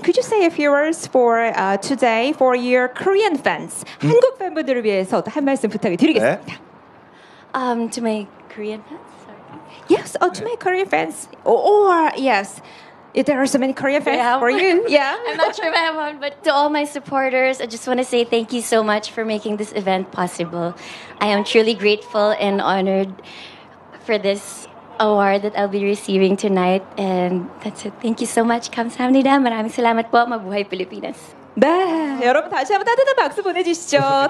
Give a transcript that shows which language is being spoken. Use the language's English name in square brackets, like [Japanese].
[English] Could you say a few words for today for your Korean fans? [Korean] 한국 팬분들을 위해서 한 말씀 부탁드리겠습니다. 네? [English] To my Korean fans. Sorry. Yes, oh, to my Korean fans. Or yes. There are so many Korean fans yeah. for you. Yeah, I'm not sure if I have one, but to all my supporters, I just want to say thank you so much for making this event possible. I am truly grateful and honored for this award that I'll be receiving tonight. And that's it. Thank you so much. [Korean] 감사합니다. [Filipino] 마라미 살라마트 보아 마부하이 필리핀에스. [Korean] 네, 여러분 다시 한번 따뜻한 박수 보내주시죠.